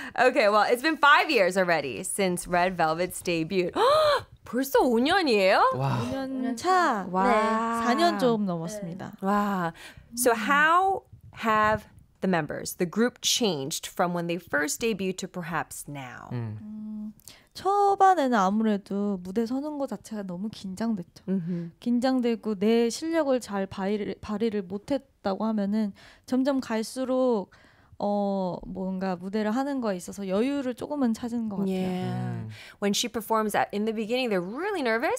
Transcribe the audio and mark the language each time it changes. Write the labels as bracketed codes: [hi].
[en] Okay, well, it's been 5 years already since Red Velvet's debut. [ko] 벌써 5년이에요? 와. 5년 차. 와. 네. 4년 좀 넘었습니다. 네. 와. [en] So how have the members, the group changed from when they first debuted to perhaps now? [ko] 초반에는 아무래도 무대 서는 것 자체가 너무 긴장됐죠. [en] Mm-hmm. [ko] 긴장되고 내 실력을 잘 발휘를 못했다고 하면은 점점 갈수록 뭔가 무대를 하는 거에 있어서 여유를 조금은 찾은 것 같아요. [en] Yeah. When she performs in the beginning, they're really nervous.